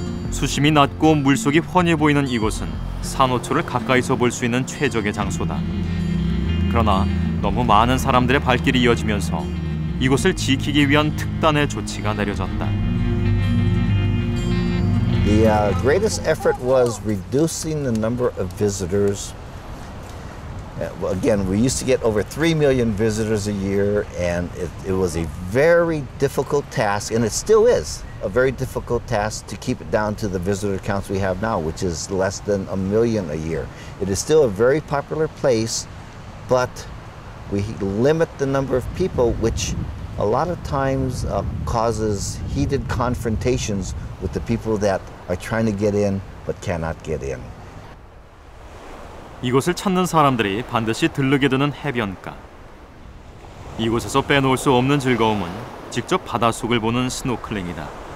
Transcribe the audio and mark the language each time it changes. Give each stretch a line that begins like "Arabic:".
Korean: 수심이 낮고 물속이 훤해 보이는 이곳은 산호초를 가까이서 볼 수 있는 최적의 장소다. 그러나 너무 많은 사람들의 발길이 이어지면서 이곳을 지키기 위한 특단의 조치가 내려졌다.
English: The greatest effort was reducing the number of visitors. Again, we used to get over 3 million visitors a year, and it was a very difficult task, and it still is a very difficult task to keep it down to the visitor counts we have now, which is less than a million a year. It is still a very popular place, but we limit the number of people, which a lot of times causes heated confrontations with the people that are trying to get in but cannot get in.
Korean: 이곳을 찾는 사람들이 반드시 들르게 되는 해변가. 이곳에서 빼놓을 수 없는 즐거움은 직접 바닷속을 보는 스노클링이다.